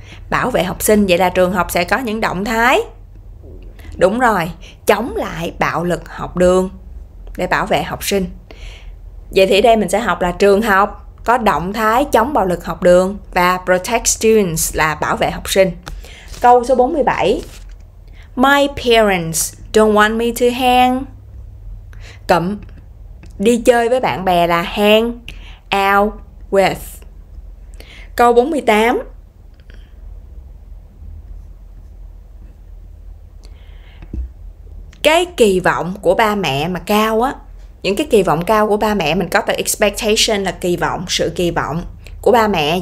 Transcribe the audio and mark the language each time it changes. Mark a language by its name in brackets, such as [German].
[Vietnamese] Bảo vệ học sinh, vậy là trường học sẽ có những động thái. Đúng rồi, chống lại bạo lực học đường để bảo vệ học sinh. Vậy thì đây mình sẽ học là trường học có động thái chống bạo lực học đường và protect students là bảo vệ học sinh. Câu số 47. [English] My parents don't want me to hang. [Vietnamese] Cụm đi chơi với bạn bè là [English] hang out with. [Vietnamese] Câu 48. Cái kỳ vọng của ba mẹ mà cao á, những cái kỳ vọng cao của ba mẹ, mình có từ expectation là kỳ vọng, sự kỳ vọng của ba mẹ.